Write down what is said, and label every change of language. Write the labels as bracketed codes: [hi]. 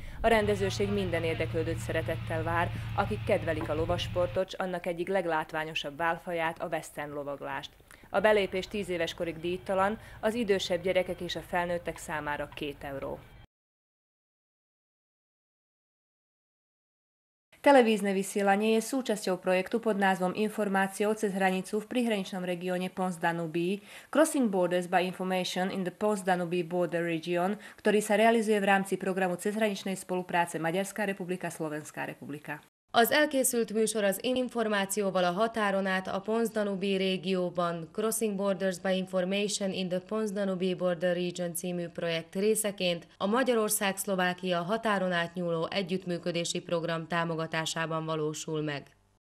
[hu] A rendezőség minden érdeklődőt szeretettel vár, akik kedvelik a lovasportot, annak egyik leglátványosabb válfaját, a western lovaglást. A belépés 10 éves korig díjtalan, az idősebb gyerekek és a felnőttek számára 2 euró. [sk] Televízne vysielanie je súčasťou projektu pod názvom Informácie o cezhranicu v prihraničnom regióne Post-Danubí, Crossing Borders by Information in the Post-Danubí Border Region, ktorý sa realizuje v rámci programu cezhraničnej spolupráce Maďarská republika, Slovenská republika. [hu] Az elkészült műsor az információval a határon át a Post-Danubí régióban, Crossing Borders by Information in the Post-Danubí Border Region című projekt részeként a Magyarország-Szlovákia határon átnyúló együttműködési program támogatásában valósul meg.